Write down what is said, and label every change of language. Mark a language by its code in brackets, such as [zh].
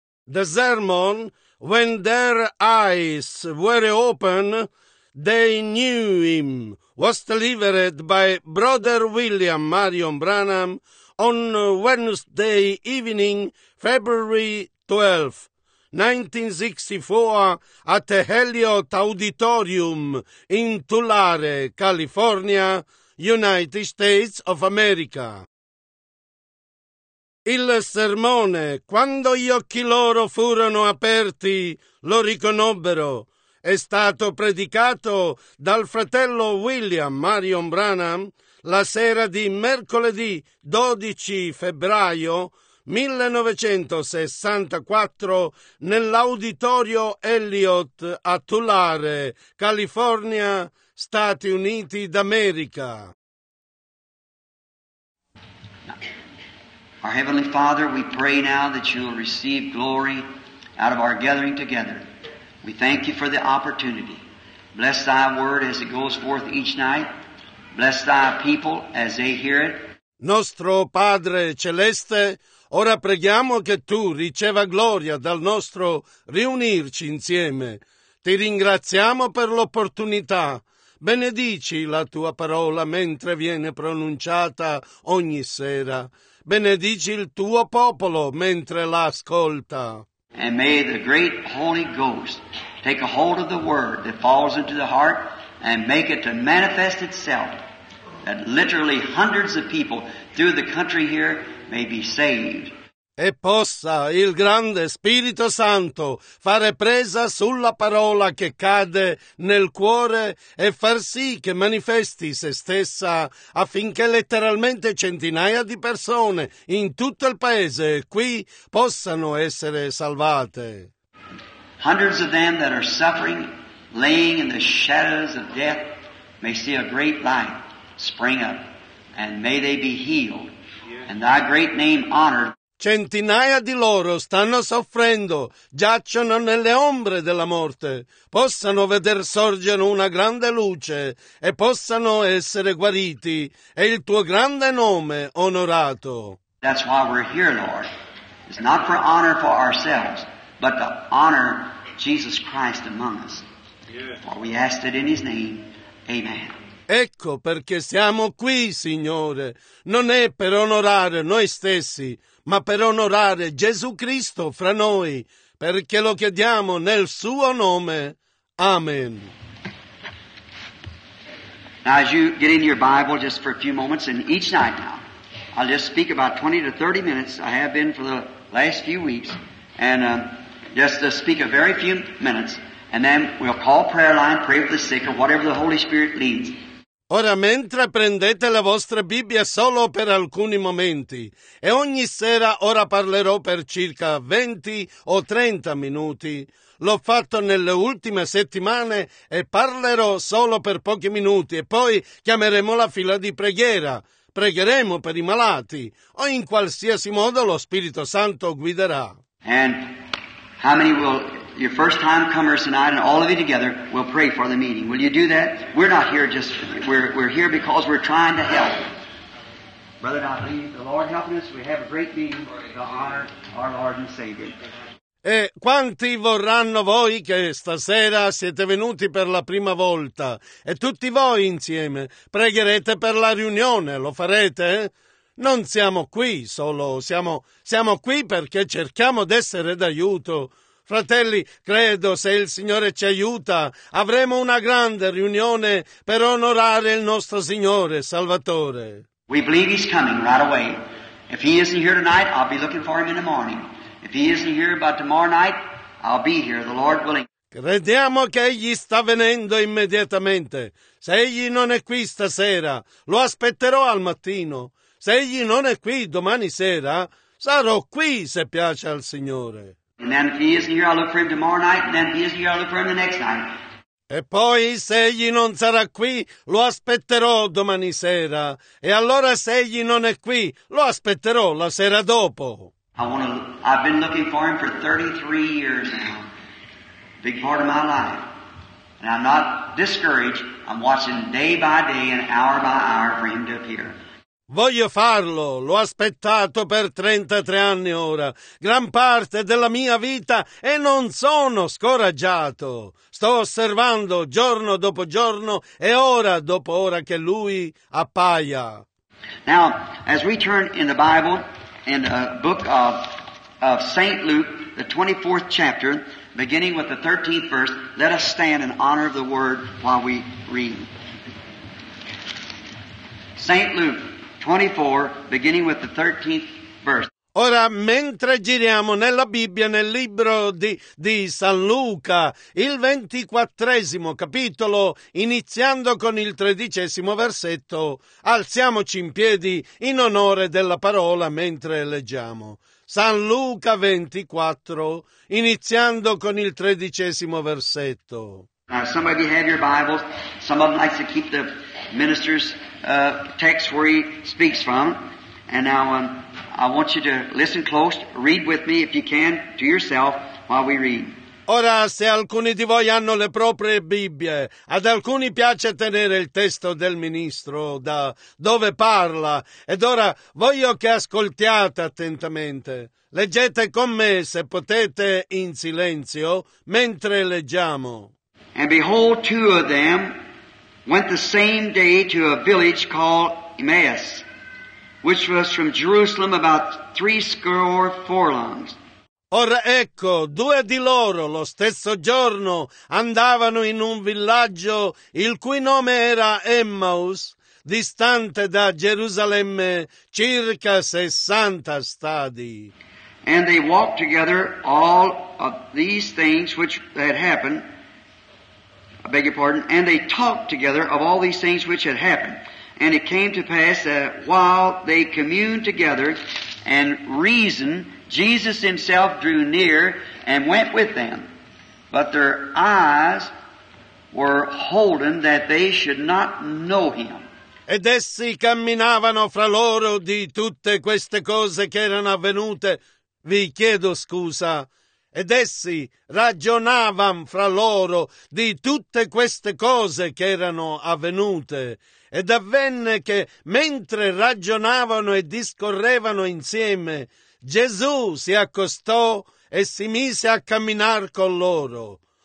[en] the sermon, when their eyes were open, they knew him, was delivered by Brother William Marion Branham on Wednesday evening, February 12, 1964, at the Heliot Auditorium in Tulare, California, United States of America. [it] Il sermone, quando gli occhi loro furono aperti, lo riconobbero. È stato predicato dal fratello William Marion Branham la sera di mercoledì 12 febbraio 1964 nell'auditorio Elliott a Tulare, California, Stati Uniti d'America. [en] Our Heavenly Father, we pray now that you will receive glory out of our gathering together. We thank you for the opportunity. Bless thy word as it goes forth each night. Bless thy people as they hear it. [it] Nostro Padre Celeste, ora preghiamo che tu riceva gloria dal nostro riunirci insieme. Ti ringraziamo per l'opportunità. Benedici la tua parola mentre viene pronunciata ogni sera. Benedici il tuo popolo mentre l'ascolta. [en] And may the great Holy Ghost take a hold of the word that falls into the heart and make it to manifest itself, that literally hundreds of people through the country here may be saved. [it] E possa il grande Spirito Santo fare presa sulla parola che cade nel cuore e far sì che manifesti se stessa affinché letteralmente centinaia di persone in tutto il paese qui possano essere salvate. [en] Hundreds of them that are suffering, laying in the shadows of death, may see a great light spring up and may they be healed and thy great name honored. [it] Centinaia di loro stanno soffrendo, giacciono nelle ombre della morte. Possano veder sorgere una grande luce e possano essere guariti. È il tuo grande nome onorato. [en] That's why we're here, Lord. It's not for honor for ourselves, but to honor Jesus Christ among us. For we ask it in his name. Amen. [it] Ecco perché siamo qui, Signore. Non è per onorare noi stessi, ma per onorare Gesù Cristo fra noi, perché lo chiediamo nel suo nome. Amen. [en] Now as you get in your Bible just for a few moments, and each night now, I'll just speak about 20 to 30 minutes, I have been for the last few weeks, and just to speak a very few minutes, and then we'll call prayer line, pray for the sick, or whatever the Holy Spirit leads. [it] Ora mentre prendete la vostra Bibbia solo per alcuni momenti e ogni sera ora parlerò per circa 20 o 30 minuti. L'ho fatto nelle ultime settimane e parlerò solo per pochi minuti e poi chiameremo la fila di preghiera. Pregheremo per i malati o in qualsiasi modo lo Spirito Santo guiderà. [en] And how many will... Your first time comers tonight, and all of you together, will pray for the meeting. Will you do that? We're not here just. We're here because we're trying to help. Brother, I believe the Lord helping us. We have a great meeting to honor our Lord and Savior. [it] E quanti vorranno voi che stasera siete venuti per la prima volta e tutti voi insieme pregherete per la riunione? Lo farete? Non siamo qui solo. Siamo qui perché cerchiamo d'essere d'aiuto. Fratelli, credo se il Signore ci aiuta, avremo una grande riunione per onorare il nostro Signore Salvatore. [en] We believe he's coming right away. If he isn't here tonight, I'll be looking for him in the morning. If he isn't here by tomorrow night, I'll be here, the Lord willing. [it] Crediamo che egli sta venendo immediatamente. Se egli non è qui stasera, lo aspetterò al mattino. Se egli non è qui domani sera, sarò qui se piace al Signore. [en] And then if he isn't here, I'll look for him tomorrow night. And then if he isn't here, I'll look for him the next night. [it] E poi, se egli non sarà qui, lo aspetterò domani sera. E allora, se egli non è qui, lo aspetterò la sera dopo. [en] I've been looking for him for 33 years now. Big part of my life. And I'm not discouraged. I'm watching day by day and hour by hour for him to appear. [it] Voglio farlo, l'ho aspettato per 33 anni ora, gran parte della mia vita e non sono scoraggiato. Sto osservando giorno dopo giorno e ora dopo ora che lui appaia. [en] Now, as we turn in the Bible, in the book of St. Luke, the 24th chapter, beginning with the 13th verse, let us stand in honor of the word while we read. St. Luke 24, beginning with the 13th verse. [it] Ora, mentre giriamo nella Bibbia, nel libro di San Luca, il 24esimo capitolo, iniziando con il 13esimo versetto, alziamoci in piedi in onore della parola mentre leggiamo. San Luca 24, iniziando con il 13esimo versetto. [en] Some of you have your Bibles. Some of them like to keep the minister's text where he speaks from. And now I want you to listen close. Read with me, if you can, to yourself while we read. [it] Ora, se alcuni di voi hanno le proprie Bibbie, ad alcuni piace tenere il testo del ministro da dove parla. Ed ora voglio che ascoltiate attentamente. Leggete con me, se potete, in silenzio, mentre leggiamo. [en] And behold, two of them went the same day to a village called Emmaus, which was from Jerusalem about 60 furlongs. [it] Ora ecco, due di loro lo stesso giorno andavano in un villaggio il cui nome era Emmaus, distante da Gerusalemme circa 60 stadi. [en] And they walked together all of these things which had happened. I beg your pardon. And they talked together of all these things which had happened. And it came to pass that while they communed together and reasoned, Jesus himself drew near and went with them. But their eyes were holden that they should not know him. [it] Ed essi camminavano fra loro di tutte queste cose che erano avvenute. Vi chiedo scusa. Ed essi ragionavano fra loro di tutte queste cose che erano avvenute. Ed avvenne che, mentre ragionavano e discorrevano insieme, Gesù si accostò e si mise a camminare con loro.